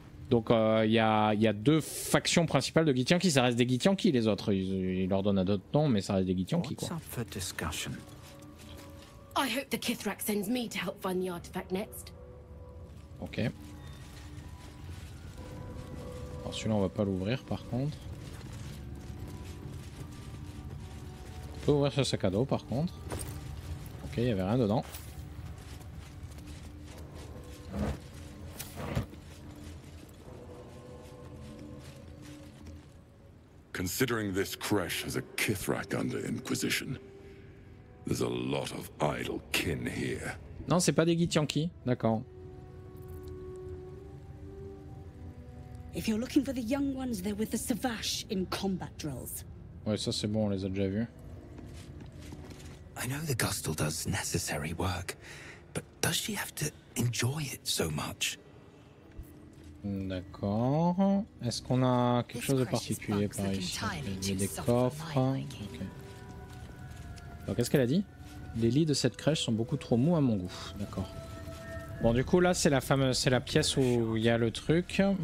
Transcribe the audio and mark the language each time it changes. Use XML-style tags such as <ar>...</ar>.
<fr>Donc il y a deux factions principales de Githyanki, ça reste des Githyanki les autres, ils leur donnent à d'autres noms mais ça reste des Githyanki quoi.</fr> <en>What's up for discussion? I hope the Kithrak sends me to help find the artifact next.</en> <fr>Ok. Alors celui-là on va pas l'ouvrir par contre. On peut ouvrir ce sac à dos par contre. Ok, il y avait rien dedans.</fr> <en>Considering this Kresh has a Kithrak under Inquisition, there's a lot of idle kin here.</en> <fr>Non, c'est pas des Githyanki, d'accord.</fr> <en>If you're looking for the young ones, they're with the Savash in combat drills.</en> <fr>Ouais, ça c'est bon, on les a déjà vus.</fr> <en>I know the Gustl does necessary work, but does she have to enjoy it so much?</en> <fr>D'accord. Est-ce qu'on a quelque chose de particulier par ici? Il y a des coffres. Okay. Donc, qu'est-ce qu'elle a dit? Les lits de cette crèche sont beaucoup trop mous à mon goût. D'accord. Bon, du coup, là, c'est la fameuse, c'est la pièce où il y a le truc.</fr>